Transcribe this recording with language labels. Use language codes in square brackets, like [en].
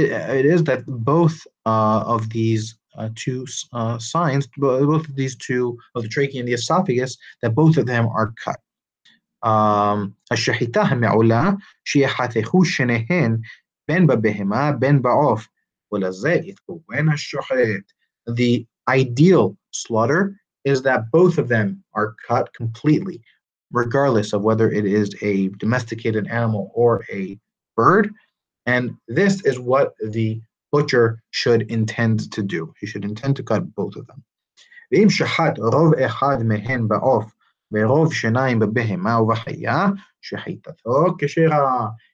[en] It is that both of these two signs, both of these two, of the trachea and the esophagus, that both of them are cut. [he] השחיטה המעולה, שיחתכו שניהן, בין בבהמה, בין בעוף, ולזה יתכוון השוחט. [en] The ideal slaughter is that both of them are cut completely, regardless of whether it is a domesticated animal or a bird. And this is what the butcher should intend to do. He should intend to cut both of them. [he] ואם שחט רוב אחד מהן בעוף, ורוב שניים בבהמה ובחיה, שחיטתו כשרה.